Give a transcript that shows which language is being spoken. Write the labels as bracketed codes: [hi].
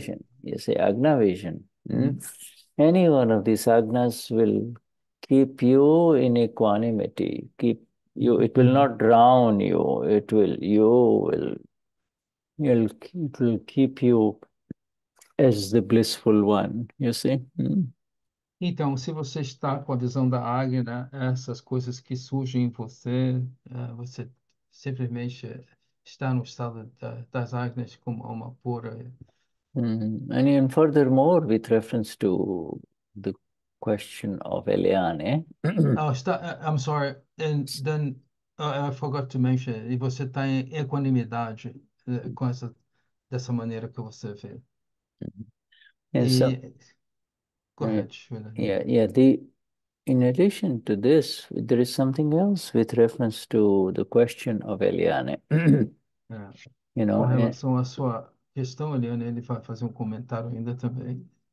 [en] vision, you say Agna vision, any one of these Agnas will keep you in equanimity, keep you, it will not drown you, it will keep you as the blissful one, you see. [pt] Então, se você está com a visão da Agna, essas coisas que surgem em você, você simplesmente está no estado das Agnas como alma pura. [en] And even furthermore, with reference to the question of Eliane. Oh, I'm sorry. And then I forgot to mention. [pt] E você está em equanimidade com essa dessa maneira que você vê. [en] And so, E go ahead, Shuddha. in addition to this, there is something else with reference to the question of Eliane. You [pt] Com [en] know, [pt] relação à sua questão, Eliane, ele vai fazer um comentário ainda também.